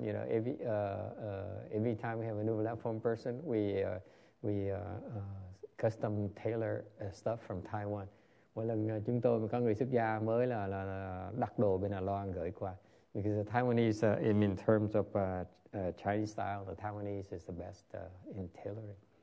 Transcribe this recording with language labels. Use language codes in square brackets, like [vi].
[en] You know, every time we have a new platform person, we custom tailor stuff from Taiwan. [vi] Mỗi lần chúng tôi có người xuất gia mới là đặt đồ bên Đài Loan gửi qua. [en] Because the Taiwanese, in terms of Chinese style, the Taiwanese is the best in tailoring.